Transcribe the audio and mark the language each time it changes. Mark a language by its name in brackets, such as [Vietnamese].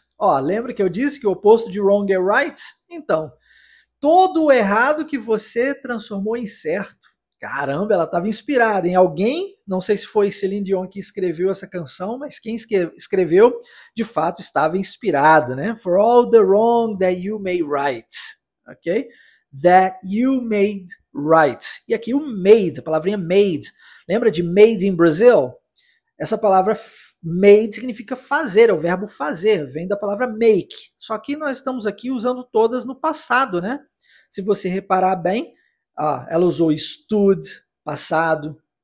[Portuguese] Ó, lembra que eu disse que o oposto de wrong é right? Então, todo o errado que você transformou em certo. Caramba, ela estava inspirada em alguém, não sei se foi Celine Dion que escreveu essa canção, mas quem escreveu, de fato, estava inspirada, né? [English] For all the wrong that you made right, ok? That you made right. [Portuguese] E aqui o made, a palavrinha made. Lembra de [English] made in Brazil? [Portuguese] Essa palavra made significa fazer, é o verbo fazer, vem da palavra make. Só que nós estamos aqui usando todas no passado, né? Se você reparar bem, ela usou stood, passado.